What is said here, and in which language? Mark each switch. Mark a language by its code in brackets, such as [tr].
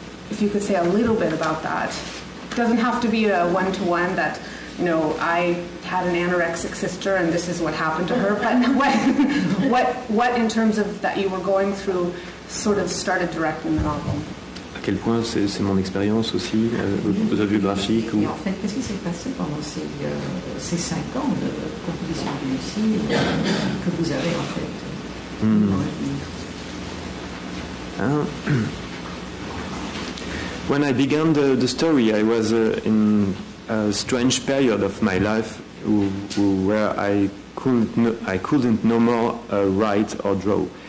[en] If you could say a little bit about that. It doesn't have to be a one-to-one that, you know, I had an anorexic sister and this is what happened to her, but what in terms of that you were going through sort of started directing the novel? [fr] À quel point c'est mon expérience aussi, autobiographique. Et en fait, qu'est-ce qui s'est passé pendant ces 5 ans de composition de Lucille que vous avez en fait [en] When I began the story, I was in a strange period of my life where I couldn't write or draw.